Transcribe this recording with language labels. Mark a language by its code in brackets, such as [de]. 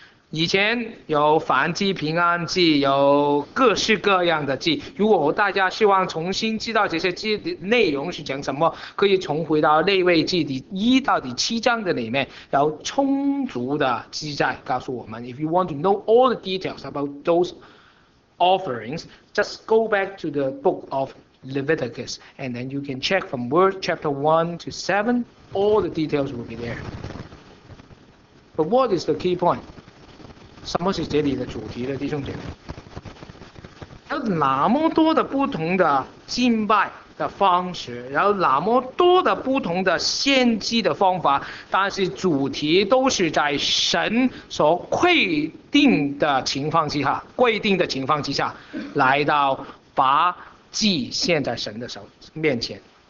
[zh] 以前有燔祭、平安祭，有各式各样的祭。如果大家希望重新知道这些祭的内容是讲什么，可以重回到《列位记》第一到第七章的里面，有充足的记载告诉我们。 [en] If you want to know all the details about those offerings, just go back to the book of Leviticus, and then you can check from verse chapter 1-7. All the details will be there. But what is the key point? [zh] 什么是这里的主题呢，弟兄姐妹？有那么多的不同的敬拜的方式，有那么多的不同的献祭的方法，但是主题都是在神所规定的情况之下，规定的情况之下，来到把祭献在神的手面前。